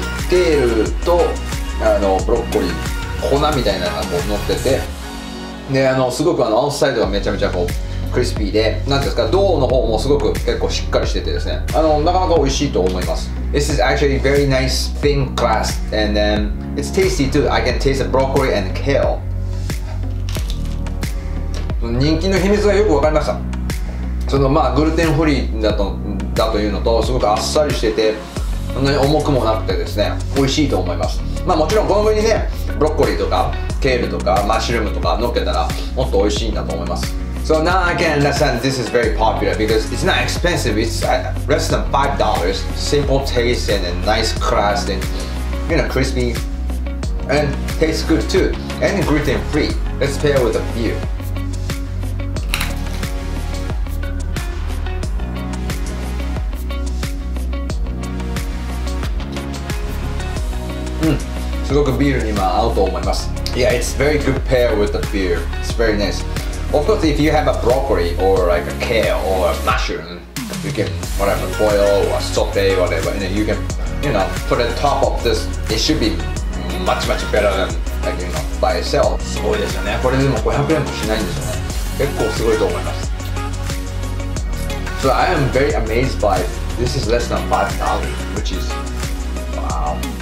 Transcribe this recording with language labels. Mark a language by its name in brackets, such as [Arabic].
[Japanese] ケールとブロッコリー粉みたいなのがこう乗ってて、ですごくアウトサイドがめちゃめちゃこうクリスピーで、なんですか、銅の方もすごく結構しっかりしててですね、なかなか美味しいと思います。 [English] This is actually very nice thin crust and then it's tasty too. I can taste the broccoli and kale. [Japanese] 人気の秘密がよく分かりました。そのまあグルテンフリーだというのとすごくあっさりしててそんなに重くもなくてですね美味しいと思います。まあもちろんこの上にねブロッコリーとかケールとかマッシュルームとか乗っけたらもっと美味しいんだと思います。 [English] So now I can understand this is very popular because it's not expensive, it's less than $5. Simple taste and a nice crust and you know crispy and tastes good too and gluten free. Let's pair with a beer [Japanese] すごくビールに合うと思います。 [English] Yeah, it's very good pair with the beer. It's very nice. Of course, if you have a broccoli or like a kale or a mushroom, you can whatever boil or saute whatever, and you can you know put it on top of this. It should be much much better than like you know by itself. [Japanese] すごいですよね。これでも500円もしないんですよね。結構すごいと思います。 [English] So I am very amazed by it. This is less than $5, which is wow.